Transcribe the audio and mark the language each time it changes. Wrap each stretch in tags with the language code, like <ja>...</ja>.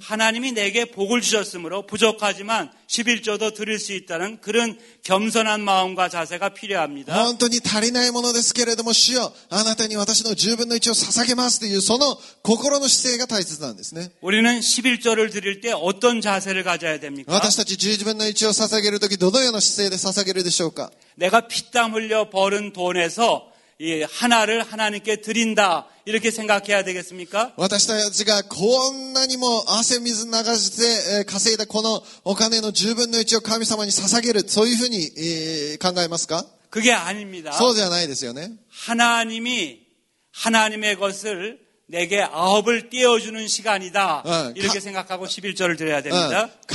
<ko>하나님이내게복을주셨으므로부족하지만11조도드릴수있다는그런겸손한마음과자세가필요합니다</ko> <ja>本当に足りないものですけれども主よあなたに私の10分の1を捧げますというその心の姿勢が大切なんですね</ja> <ko>우리는11조를드릴때어떤자세를가져야됩니까</ko> <ja>私たち10分の1を捧げるときどのような姿勢で捧げるでしょうか</ja> <ko>내가 피땀 흘려 벌은 돈에서 이 하나를 하나님께 드린다 이렇게 생각해야 되겠습니까? 우리가</ko> <ja>こんなにも汗水流して稼いだこのお金の10分の1を神様に捧げるそういうふうに考えますか?</ja> <ko>그게 아닙니다.</ko> <ja>そうじゃないですよね?</ja> <ko>하나님이 하나님의 것을 내게 아홉을 띄워주는 시간이다 이렇게 생각하고 11절을 드려야 됩니다.</ko>